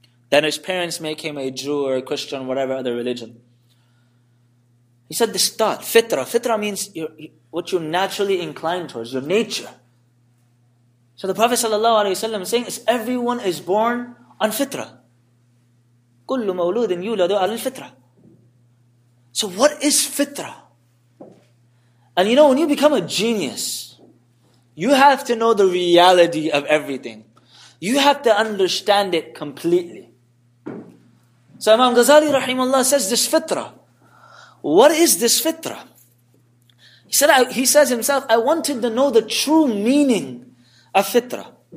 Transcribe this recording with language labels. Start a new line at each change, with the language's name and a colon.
English: Then his parents make him a Jew or a Christian, whatever other religion. He said this thought, fitrah. Fitrah means what you're naturally inclined towards, your nature. So the Prophet sallallahu alaihi wasallam is saying, everyone is born on fitra.
Arabic: كل مولود يولد على الفطرة.
English: So what is fitra? And you know, when you become a genius, you have to know the reality of everything. You have to understand it completely. So Imam Ghazali rahimahullah says this fitra. What is this fitra? He says himself, I wanted to know the true meaning of fitra.